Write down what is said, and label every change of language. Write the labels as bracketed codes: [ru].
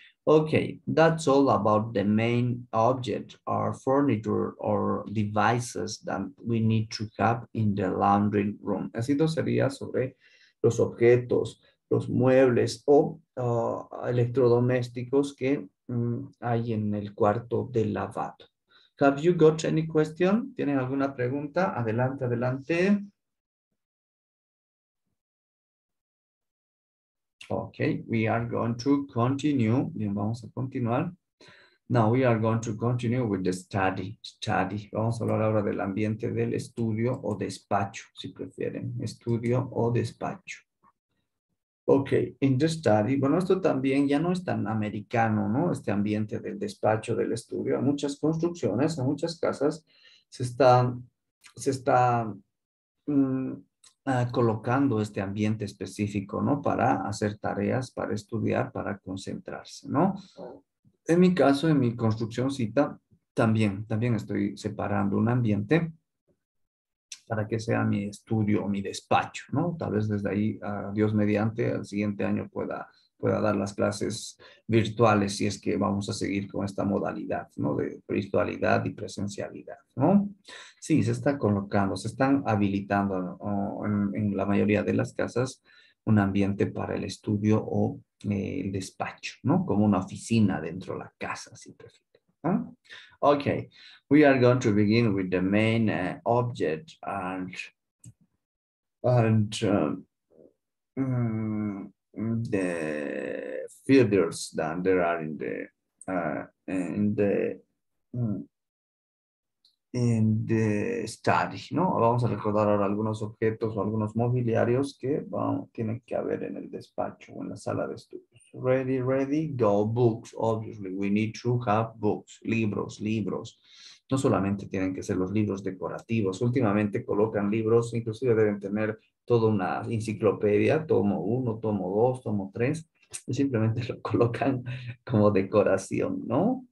[en] Okay, that's all about the main object or furniture or devices that we need to have in the laundry room. [es] Así todo sería sobre los objetos, los muebles o electrodomésticos que hay en el cuarto de lavado. [en] Have you got any question? [es] ¿Tienen alguna pregunta? Adelante, adelante. [en] Okay, we are going to continue. [es] Bien, vamos a continuar. [en] Now we are going to continue with the study. Study. [es] Vamos a hablar ahora del ambiente del estudio o despacho, si prefieren. Estudio o despacho. [en] Okay, in the study. [es] Bueno, esto también ya no es tan americano, ¿no? Este ambiente del despacho, del estudio. En muchas construcciones, en muchas casas, se está colocando este ambiente específico, ¿no? Para hacer tareas, para estudiar, para concentrarse, ¿no? En mi caso, en mi construccióncita, también estoy separando un ambiente para que sea mi estudio, mi despacho, ¿no? Tal vez desde ahí, Dios mediante, al siguiente año pueda dar las clases virtuales si es que vamos a seguir con esta modalidad, ¿no? De virtualidad y presencialidad, ¿no? Sí, se está colocando, se están habilitando en la mayoría de las casas un ambiente para el estudio o el despacho, ¿no? Como una oficina dentro de la casa, si prefieres, ¿no? [en] Okay, we are going to begin with the main object and the features that there are in the study, ¿no? [es] Vamos a recordar ahora algunos objetos o algunos mobiliarios que tienen que haber en el despacho o en la sala de estudios. [en] Ready, ready, go. Books, obviously, we need to have books, libros, libros. [es] No solamente tienen que ser los libros decorativos. Últimamente colocan libros, inclusive deben tener toda una enciclopedia, tomo 1, tomo 2, tomo 3, simplemente lo colocan como decoración, ¿no?